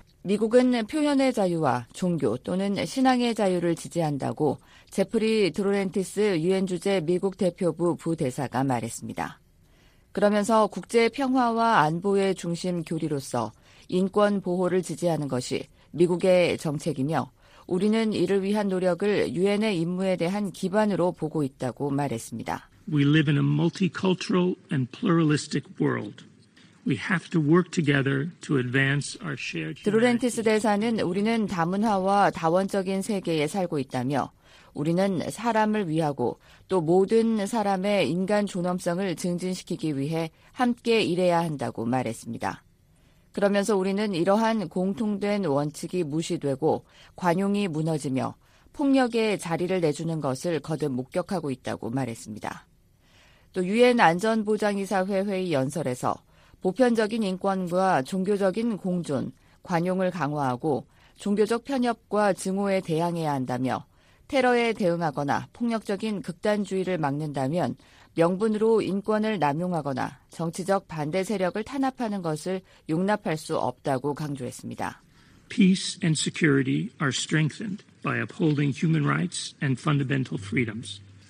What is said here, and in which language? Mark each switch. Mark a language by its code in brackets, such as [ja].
[ko] 미국은 표현의 자유와 종교 또는 신앙의 자유를 지지한다고 제프리 드로렌티스 유엔 주재 미국 대표부 부대사가 말했습니다. 그러면서 국제 평화와 안보의 중심 교리로서 인권 보호를 지지하는 것이 미국의 정책이며 우리는 이를 위한 노력을 유엔의 임무에 대한 기반으로 보고 있다고 말했습니다. [en] We live in a multicultural and pluralistic world. We have to work together to advance our shared. [ko] 드로렌티스 대사는 우리는 다문화와 다원적인 세계에 살고 있다며 우리는 사람을 위하고 또 모든 사람의 인간 존엄성을 증진시키기 위해 함께 일해야 한다고 말했습니다. 그러면서 우리는 이러한 공통된 원칙이 무시되고 관용이 무너지며 폭력에 자리를 내주는 것을 거듭 목격하고 있다고 말했습니다. 또 유엔 안전보장이사회 회의 연설에서 보편적인 인권과 종교적인 공존, 관용을 강화하고 종교적 편협과 증오에 대항해야 한다며 테러에 대응하거나 폭력적인 극단주의를 막는다면 명분으로 인권을 남용하거나 정치적 반대 세력을 탄압하는 것을 용납할 수 없다고 강조했습니다. [en] Peace and security are strengthened by upholding human rights and fundamental freedoms.